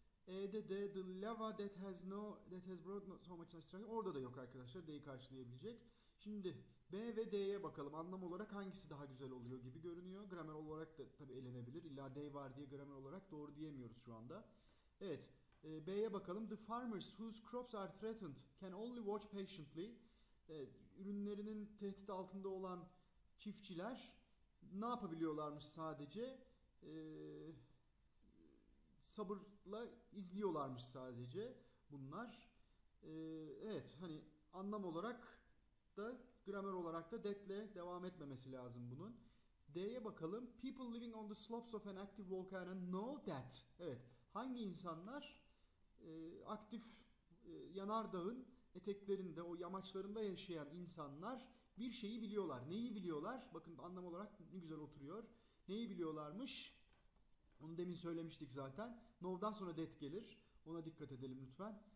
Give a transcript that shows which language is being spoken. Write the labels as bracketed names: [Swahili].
[Turkish] E'de de [English] the lava that has no, that has brought no, so much destruction. [Turkish] Orada da yok arkadaşlar D'yi karşılayabilecek. Şimdi B ve D'ye bakalım. Anlam olarak hangisi daha güzel oluyor gibi görünüyor. Gramer olarak da tabii elenebilir. İlla D var diye gramer olarak doğru diyemiyoruz şu anda. Evet, B'ye bakalım. [English] The farmers whose crops are threatened can only watch patiently. [Turkish] Evet, ürünlerinin tehdit altında olan çiftçiler ne yapabiliyorlarmış sadece? Sabırla izliyorlarmış sadece bunlar. Evet, hani anlam olarak da gramer olarak da that'le devam etmemesi lazım bunun. D'ye bakalım. [English] People living on the slopes of an active volcano know that. [Turkish] Evet, hangi insanlar aktif yanardağın eteklerinde, o yamaçlarında yaşayan insanlar bir şeyi biliyorlar. Neyi biliyorlar? Bakın anlam olarak ne güzel oturuyor. Neyi biliyorlarmış? Onu demin söylemiştik zaten. Now'dan sonra that gelir. Ona dikkat edelim lütfen.